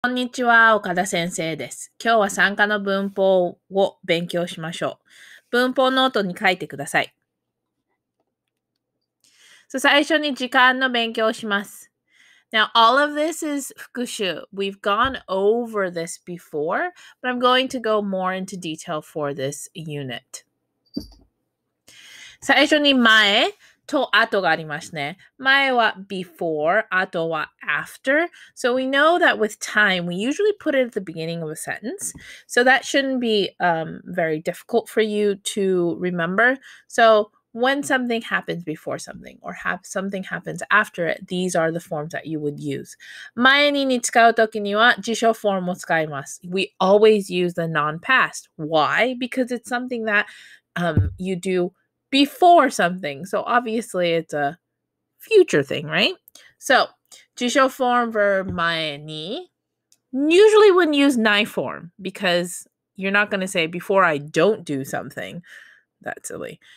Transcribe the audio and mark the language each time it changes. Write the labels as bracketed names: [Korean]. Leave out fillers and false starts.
[Japanese] こんにちは、岡田先生です。今日は参加の文法を勉強しましょう。文法ノートに書いてください。 So, 最初に時間の勉強をします。 [English] Now, all of this is 復習. We've gone over this before, but I'm going to go more into detail for this unit. [Japanese] 最初に前と後がありますね。前は before, 後は after. [English] So we know that with time, we usually put it at the beginning of a sentence. So that shouldn't be, very difficult for you to remember. So when something happens before something, or something happens after it, these are the forms that you would use. [Japanese] 前に使うときには辞書フォームを使います。 [English] We always use the non-past. Why? Because it's something that, you do before something. So obviously it's a future thing, right? So, 辞書form verb 前に usually wouldn't use 内 form because you're not going to say before I don't do something. That's silly.